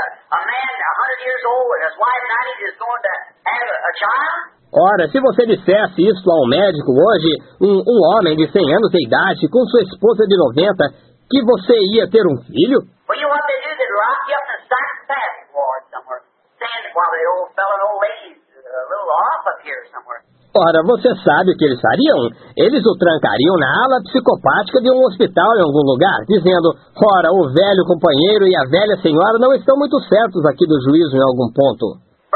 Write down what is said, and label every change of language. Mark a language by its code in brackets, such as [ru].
[en] A man 100 years old and his wife 90 is going to have a child? [pt] Ora, se você dissesse isso a um médico hoje, um homem de 100 anos de idade, com sua esposa de 90, que você ia ter um filho? [en] Well, you want to do is lock you up in a psychiatric ward somewhere, standing while the old fellow and old lady's a little off up here somewhere. [pt] Ora, você sabe o que eles fariam? Eles o trancariam na ala psicopática de um hospital em algum lugar, dizendo, ora, o velho companheiro e a velha senhora não estão muito certos aqui do juízo em algum ponto.